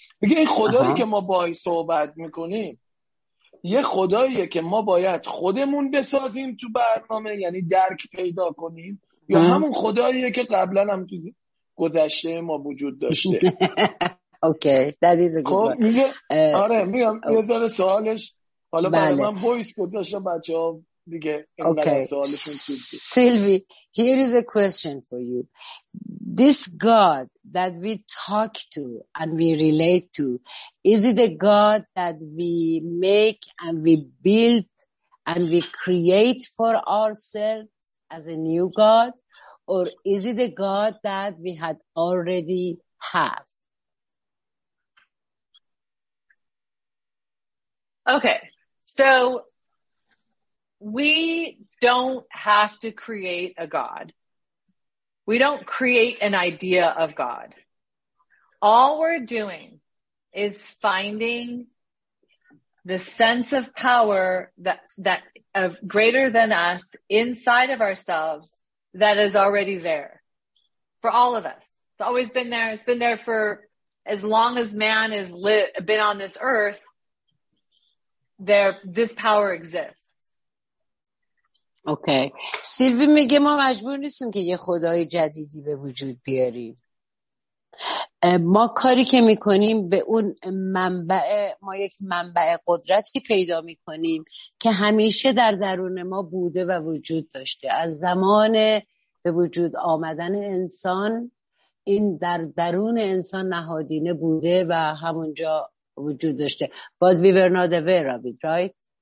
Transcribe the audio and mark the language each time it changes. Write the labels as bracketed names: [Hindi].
[Persian] میگه این خدایی که ما باهاش صحبت میکنیم یه خداییه که ما باید خودمون بسازیم تو برنامه، یعنی درک پیدا کنیم، یا همون خداییه که قبلا هم تو گذشته ما وجود داشته. [English] Okay that is a good one. [Persian] میگه آره میگم یه ذره سوالش حالا برای من بویس گذاشتم بچه‌ها دیگه [English] Okay Sylvie here is a question for you. This God that we talk to and we relate to, is it a God that we make and we build and we create for ourselves as a new God? Or is it a God that we had already have? Okay, so we don't have to create a God. We don't create an idea of God. All we're doing is finding the sense of power that of greater than us inside of ourselves that is already there for all of us. It's always been there. It's been there for as long as man has been on this earth. This power exists. [Persian] اوکی سیلوی میگه ما مجبور نیستیم که یه خدای جدیدی به وجود بیاریم. ما کاری که میکنیم به اون منبع، ما یک منبع قدرتی پیدا میکنیم که همیشه در درون ما بوده و وجود داشته. از زمان به وجود آمدن انسان این در درون انسان نهادینه بوده و همونجا وجود داشته. [English] But we were not aware of it, right?